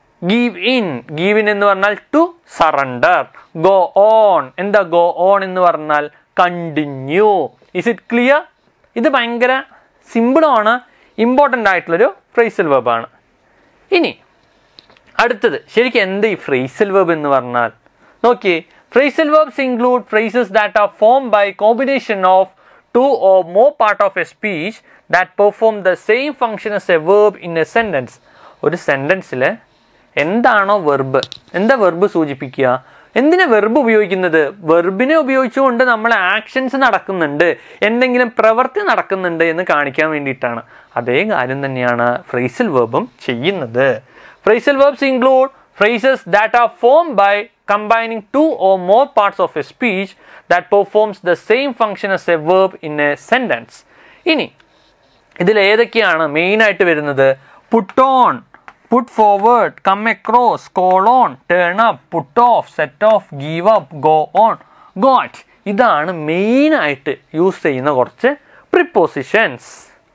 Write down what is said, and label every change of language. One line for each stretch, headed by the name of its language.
Malayalam: Give in, give in എന്ന് പറഞ്ഞാൽ to surrender. Go on, എന്താ ഗോ ഓൺ എന്ന് പറഞ്ഞാൽ? കണ്ടിന്യൂ.
English: Is it clear?
Malayalam: ഇത് ഭയങ്കര സിമ്പിളുമാണ്, ഇമ്പോർട്ടൻ്റ് ആയിട്ടുള്ളൊരു ഫ്രേസൽ വേർബ് ആണ്. ഇനി അടുത്തത്, ശരിക്കും എന്ത് ഈ ഫ്രേസൽ വേർബ് എന്ന് പറഞ്ഞാൽ? നോക്കിയേ,
English: phrasal verbs include phrases that are formed by combination of two or more part of a speech that perform the same function as a verb in a sentence.
Malayalam: ഒരു സെന്റൻസിലെ എന്താണോ വെർബ്, എന്താ verb സൂചിപ്പിക്കുക? എന്തിനാ verb ഉപയോഗിക്കുന്നത്? വെർബിനെ ഉപയോഗിച്ചുകൊണ്ട് നമ്മൾ actions നടക്കുന്നുണ്ട്, എന്തെങ്കിലും പ്രവൃത്തി നടക്കുന്നുണ്ട് എന്ന് കാണിക്കാൻ വേണ്ടിയിട്ടാണ്. അതേ കാര്യം തന്നെയാണ് phrasal verbs ചെയ്യുന്നത്.
English: phrasal verbs include phrases that are formed by combining two or more parts of a speech that performs the same function as a verb in a sentence.
Malayalam: ഇനി ഇതിൽ ഏതൊക്കെയാണ് മെയിൻ ആയിട്ട് വരുന്നത്? Put on, put forward, come across, call on, turn up, put off, set of, give up, go on, got. ഇതാണ് main ആയിട്ട് use ചെയ്യുന്ന കുറച്ച് prepositions.